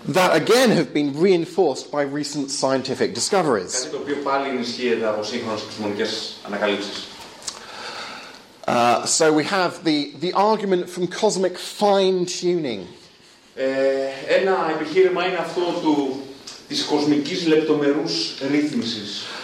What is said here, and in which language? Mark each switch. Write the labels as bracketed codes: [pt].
[en] That again have been reinforced by recent scientific discoveries. [el] Κάτι το οποίο πάλι ενισχύεται από σύγχρονες επιστημονικές ανακαλύψεις. [en] So we have the argument from cosmic fine tuning. [el] Ένα επιχείρημα είναι αυτό του. Της κοσμικής λεπτομερούς ρύθμισης.